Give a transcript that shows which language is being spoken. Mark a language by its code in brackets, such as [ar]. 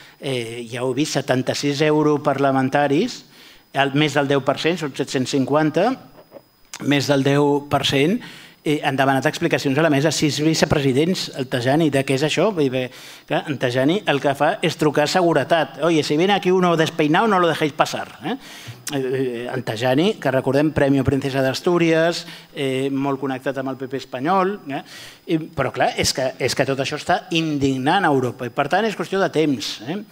[ca] Ja heu vist, 76 europarlamentaris, més del 10%, són 750, més del 10%, han demanat explicacions a la mesa, 6 vicepresidents, el Tajani, de què és això? En Tajani el que fa és trucar a seguretat. [es] Oye, si viene aquí uno despeinado, no lo dejéis pasar. [ca] En Tajani, que recordem, Premio Princesa d'Astúries, molt connectat amb el PP espanyol, però clar, és que tot això està indignant a Europa, i per tant és qüestió de temps.